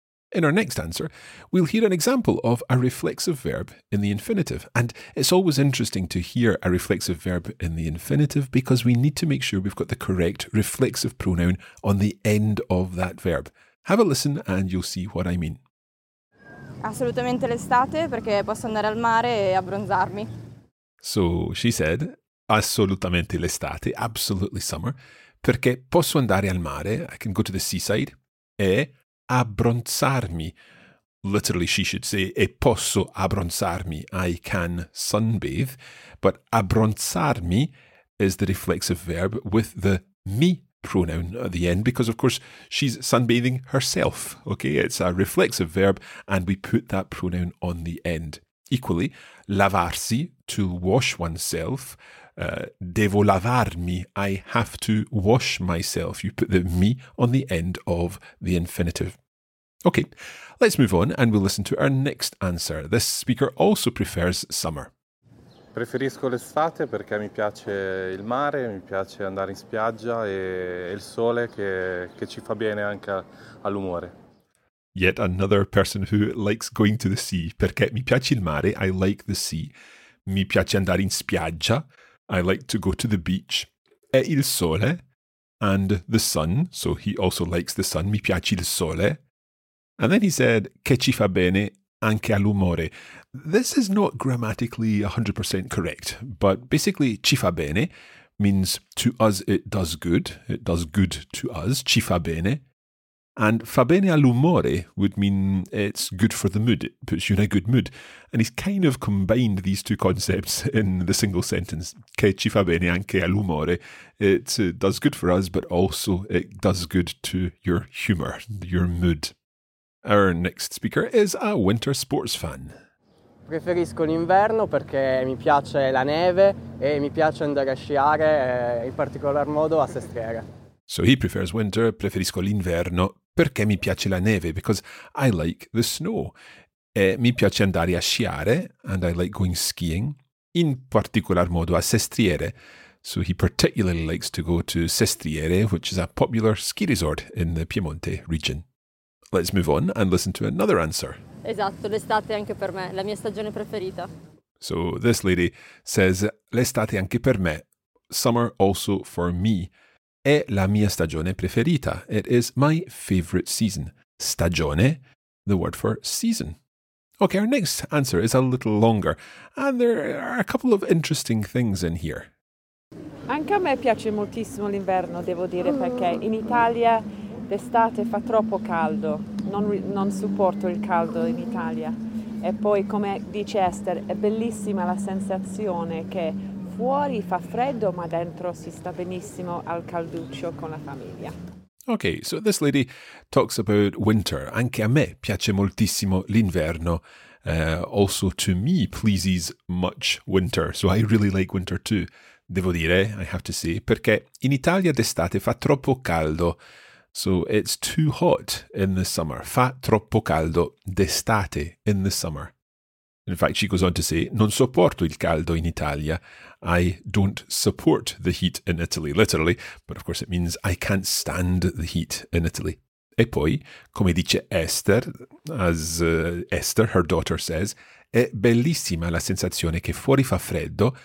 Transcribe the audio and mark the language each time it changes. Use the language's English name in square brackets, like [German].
[English] In our next answer, we'll hear an example of a reflexive verb in the infinitive. And it's always interesting to hear a reflexive verb in the infinitive because we need to make sure we've got the correct reflexive pronoun on the end of that verb. Have a listen and you'll see what I mean. [Italian] Assolutamente l'estate perché posso andare al mare e abbronzarmi. [English] So she said, [Italian] assolutamente l'estate, [English] absolutely summer, [Italian] perché posso andare al mare, [English] I can go to the seaside, [Italian] e abbronzarmi. [English] Literally, she should say, [Italian] e posso abbronzarmi, [English] I can sunbathe. But abbronzarmi is the reflexive verb with the mi pronoun at the end, because of course she's sunbathing herself, okay? It's a reflexive verb and we put that pronoun on the end. Equally, lavarsi, to wash oneself, [Italian] devo lavarmi, [English] I have to wash myself. You put the mi on the end of the infinitive. Okay, let's move on and we'll listen to our next answer. This speaker also prefers summer. [Italian] Preferisco l'estate perché mi piace il mare, mi piace andare in spiaggia e il sole che ci fa bene anche all'umore. [English] Yet another person who likes going to the sea. [Italian] Perché mi piace il mare, [English] I like the sea. [Italian] Mi piace andare in spiaggia, [English] I like to go to the beach. [Italian] E il sole, [English] and the sun, so he also likes the sun. [Italian] Mi piace il sole. [English] And then he said, [Italian] che ci fa bene anche all'umore. [English] This is not grammatically 100% correct, but basically [Italian] ci fa bene [English] means to us it does good. It does good to us, [Italian] ci fa bene. [English] And [Italian] fa bene all'umore [English] would mean it's good for the mood. It puts you in a good mood. And he's kind of combined these two concepts in the single sentence. [Italian] Che ci fa bene anche all'umore. [English] It does good for us, but also it does good to your humour, your mood. Our next speaker is a winter sports fan. [Italian] Preferisco l'inverno perché mi piace la neve e mi piace andare a sciare, in particolar modo a Sestriere. [English] So he prefers winter, [Italian] preferisco l'inverno, perché mi piace la neve, [English] because I like the snow. [Italian] E mi piace andare a sciare, [English] and I like going skiing, [Italian] in particolar modo a Sestriere. [English] So he particularly likes to go to Sestriere, which is a popular ski resort in the Piemonte region. Let's move on and listen to another answer. [Italian] Esatto, l'estate anche per me, la mia stagione preferita. [English] So this lady says, [Italian] l'estate anche per me, [English] summer also for me. [Italian] È la mia stagione preferita. [English] It is my favorite season. Stagione, the word for season. Okay, our next answer is a little longer. And there are a couple of interesting things in here. [Italian] Anche a me piace moltissimo l'inverno, devo dire, perché in Italia d'estate fa troppo caldo. Non supporto il caldo in Italia. E poi, come dice Esther, è bellissima la sensazione che fuori fa freddo, ma dentro si sta benissimo al calduccio con la famiglia. [English] Okay, so this lady talks about winter. [Italian] Anche a me piace moltissimo l'inverno. [English] Also to me pleases much winter. So I really like winter too. [Italian] Devo dire, [English] I have to say, [Italian] perché in Italia d'estate fa troppo caldo. [English] So it's too hot in the summer. [Italian] Fa troppo caldo d'estate [English] in the summer. In fact, she goes on to say, [Italian] non sopporto il caldo in Italia. [English] I don't support the heat in Italy, literally. But of course it means I can't stand the heat in Italy. [Italian] E poi, come dice Esther, [English] as Esther, her daughter, says, [Italian] è bellissima la sensazione che fuori fa freddo.